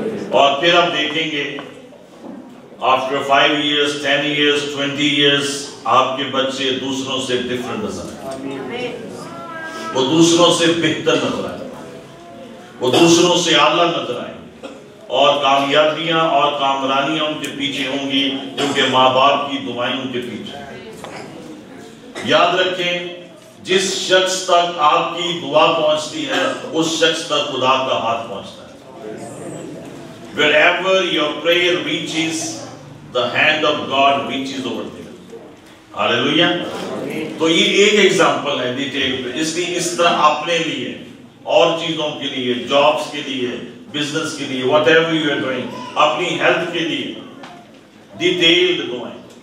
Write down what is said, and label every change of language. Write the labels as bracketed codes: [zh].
[ur] اور پھر آپ دیکھیں گے آفٹر 5 years, 10 years, 20 years آپ کے بچے دوسروں سے ڈفرنٹ نظر آئے, وہ دوسروں سے بہتر نظر آئے, وہ دوسروں سے اعلیٰ نظر آئے اور کامیابیاں اور کامرانیاں ان کے پیچھے ہوں گی کیونکہ ماں باپ کی دعائیں ان کے پیچھے. یاد رکھیں جس شخص تک آپ کی دعا پہنچتی ہے اس شخص تک خدا کا ہاتھ پہنچتا ہے. [en] Wherever your prayer reaches, the hand of God reaches over there. Hallelujah. [ur] تو یہ ایک ایگزامپل ہے ڈیٹیل پہ. اس لیے اس طرح اپنے لیے اور چیزوں کے لیے, جابس کے لیے, بزنس کے لیے, [en] whatever you are doing, [ur] اپنی ہیلتھ کے لیے ڈیٹیلڈ دعائیں.